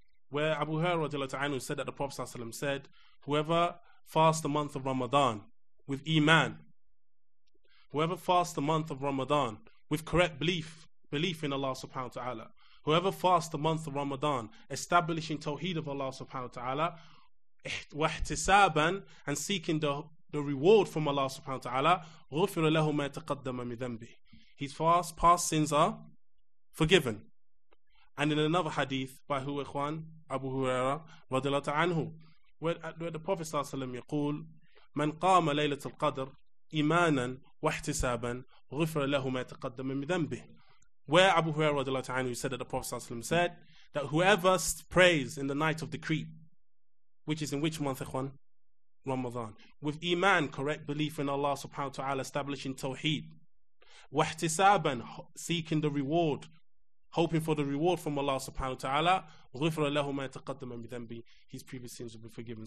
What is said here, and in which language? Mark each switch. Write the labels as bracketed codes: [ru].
[en] Where Abu Hurairah, radiallahu ta'ala anhu, said that the Prophet sallallahu alayhi wa sallam said, "Whoever fasts the month of Ramadan with iman, whoever fasts the month of Ramadan with correct belief in Allah subhanahu wa ta'ala, whoever fasts the month of Ramadan establishing tawheed of Allah subhanahu wa ta'ala, wahtisaban, and seeking the reward from Allah subhanahu wa ta'ala, [ar] ghufira lahu ma taqaddama min dhanbi, [en] his past sins are forgiven. And in another hadith by who, Ikhwan? Abu Huraira radiallahu ta'ala anhu, where the Prophet sallallahu alayhi wa sallam [ar] يقول من قام ليلة القدر إيمانا واحتسابا غفر له ما تقدم من ذنبه. [en] Where Abu Huraira radiallahu ta'ala anhu said that the Prophet sallallahu alayhi wa sallam said that whoever prays in the night of decree, which is in which month, Ikhwan? Ramadan. With iman, correct belief in Allah subhanahu wa ta'ala, establishing tawheed. Wahtisaban, seeking the reward, hoping for the reward from Allah subhanahu wa ta'ala, [ar] ghufra lahu ma taqaddama min dhanbi, [en] his previous sins will be forgiven.